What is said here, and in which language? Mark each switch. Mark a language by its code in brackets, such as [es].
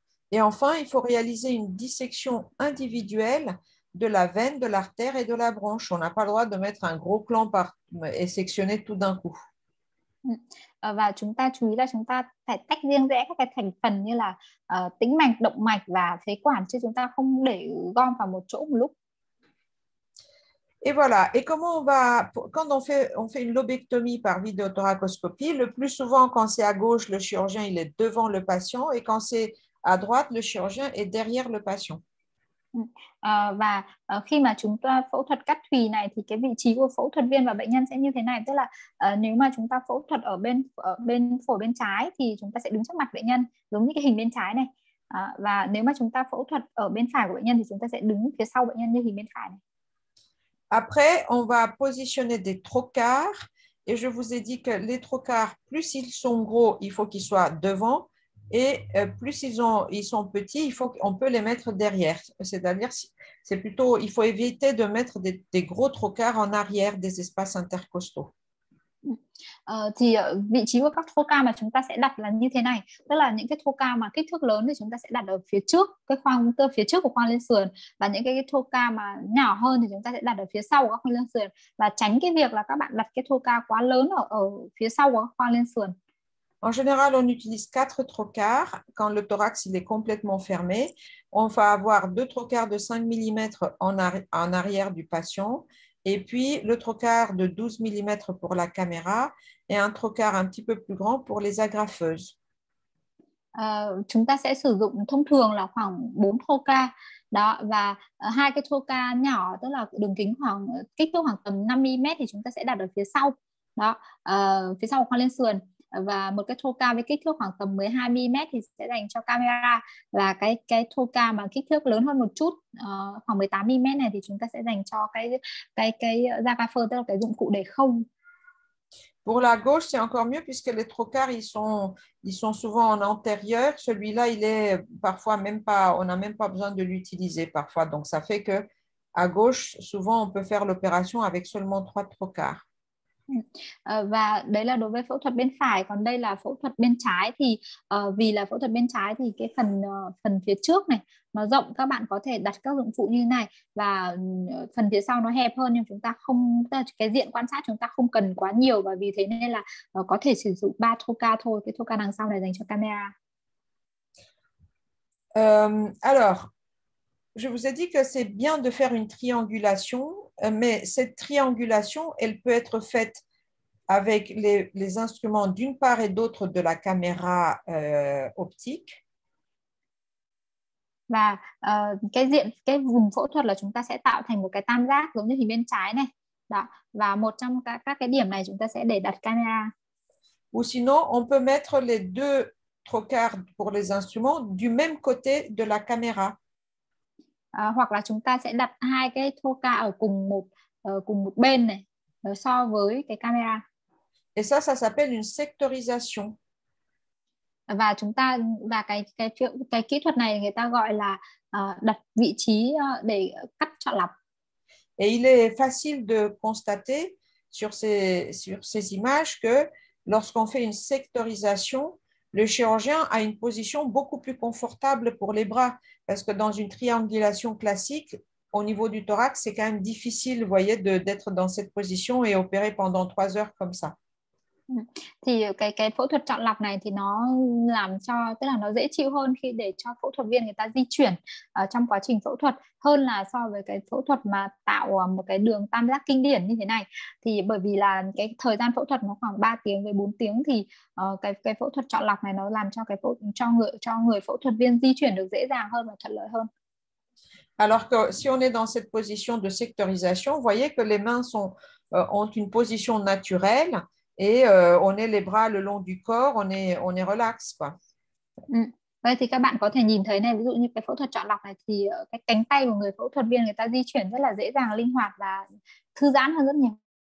[fr] Et enfin, il faut réaliser une dissection individuelle de la veine, de l'artère et de la bronche. On n'a pas le droit de mettre un gros clamp et sectionner tout d'un coup. [vi] Và chúng ta chú ý là chúng ta phải tách riêng rẽ các cái thành phần như là tĩnh mạch, động mạch và phế quản, chứ chúng ta không để gom vào một chỗ một lúc. [fr] Et voilà, et comment on va, quand on fait une lobectomie par vidéothoracoscopie, le plus souvent quand c'est à gauche, le chirurgien il est devant le patient, et quand c'est à droite, le chirurgien est derrière le patient. [vi] Và khi mà chúng ta phẫu thuật cắt thùy này thì cái vị trí của phẫu thuật viên và bệnh nhân sẽ như thế này, tức là nếu mà chúng ta phẫu thuật ở bên phổi bên trái thì chúng ta sẽ đứng trước mặt bệnh nhân giống như cái hình bên trái này, và nếu mà chúng ta phẫu thuật ở bên phải của bệnh nhân thì chúng ta sẽ đứng phía sau bệnh nhân như hình bên phải này. [fr] Après, on va positionner des trocars et je vous ai dit que les trocars, plus ils sont gros, il faut qu'ils soient devant. Et plus ils sont petits, on peut les mettre derrière. C'est-à-dire, c'est plutôt, il faut éviter de mettre des gros trocars en arrière des espaces intercostaux. [vi] Thì vị trí của các trocars mà chúng ta sẽ đặt là như thế này. Tức là những cái trocars mà kích thước lớn thì chúng ta sẽ đặt ở phía trước cái khoang tơ phía trước của khoang lưng sườn, và những cái trocars mà nhỏ hơn thì chúng ta sẽ đặt ở phía sau của khoang lưng sườn, và tránh cái việc là các bạn đặt cái trocars quá lớn ở phía sau của khoang lưng sườn. [fr] En général, on utilise quatre trocars quand le thorax il est complètement fermé. On va avoir deux trocars de 5 mm en arrière du patient, et puis le trocar de 12 mm pour la caméra, et un trocar un petit peu plus grand pour les agrafeuses. [vi] Chúng ta sẽ sử dụng thông thường là khoảng 4 trocar đó, và hai cái trocar nhỏ, tức là đường kính khoảng kích thước khoảng tầm 5 mm thì chúng ta sẽ đặt ở phía sau đó, phía sau khoang lên sườn. Và một cái trocar với kích thước khoảng tầm 12 mm thì sẽ dành cho camera, và cái trocar mà kích thước lớn hơn một chút, khoảng 18 mm này, thì chúng ta sẽ dành cho cái agrafeur, tức là cái dụng cụ để khâu. [fr] Pour la gauche c'est encore mieux puisque les trocars ils sont souvent en antérieur, celui-là il est parfois même pas, on n'a même pas besoin de l'utiliser parfois, donc ça fait que à gauche souvent on peut faire l'opération avec seulement trois trocars. [vi] Và đấy là đối với phẫu thuật bên phải, còn đây là phẫu thuật bên trái, thì vì là phẫu thuật bên trái thì cái phần phần phía trước này nó rộng, các bạn có thể đặt các dụng cụ như này, và phần phía sau nó hẹp hơn, nhưng chúng ta không, cái diện quan sát chúng ta không cần quá nhiều, và vì thế nên là có thể sử dụng 3 troca thôi, cái troca đằng sau này dành cho camera. [fr] Alors je vous ai dit que c'est bien de faire une triangulation. Mais cette triangulation, elle peut être faite avec les instruments d'une part et d'autre de la caméra optique. [vi] Và cái diện, cái vùng phẫu thuật là chúng ta sẽ tạo thành một cái tam giác giống như hình bên trái này. Đó. Và một trong các cái điểm này chúng ta sẽ để đặt camera. [fr] Ou sinon, on peut mettre les deux trocars pour les instruments du même côté de la caméra. [vi] Hoặc là chúng ta sẽ đặt hai cái troca ở cùng một bên này, so với cái camera. [fr] Et ça s'appelle une sectorisation. [vi] Và chúng ta, và cái kỹ thuật này người ta gọi là đặt vị trí để cắt chọn lọc. [fr] Et il est facile de constater sur ces images que lorsqu'on fait une sectorisation, le chirurgien a une position beaucoup plus confortable pour les bras, parce que dans une triangulation classique, au niveau du thorax, c'est quand même difficile, vous voyez, d'être dans cette position et opérer pendant 3 heures comme ça. [vi] Thì cái phẫu thuật chọn lọc này thì nó làm cho, tức là nó dễ chịu hơn khi để cho phẫu thuật viên người ta di chuyển trong quá trình phẫu thuật, hơn là so với cái phẫu thuật mà tạo một cái đường tam giác kinh điển như thế này, thì bởi vì là cái thời gian phẫu thuật nó khoảng 3 tiếng với 4 tiếng, thì cái phẫu thuật chọn lọc này nó làm cho cho người phẫu thuật viên di chuyển được dễ dàng hơn và thuận lợi hơn. [fr] Alors que si on est dans cette position de sectorisation, vous voyez que les mains sont ont une position naturelle. Et on est les bras le long du corps, on est relax quoi. [vi] Vậy thì các bạn có thể nhìn thấy này, ví dụ như cái phẫu thuật chọn lọc này thì cái cánh tay của người phẫu thuật viên người ta di chuyển rất là dễ dàng, linh hoạt và thư giãn hơn rất nhiều.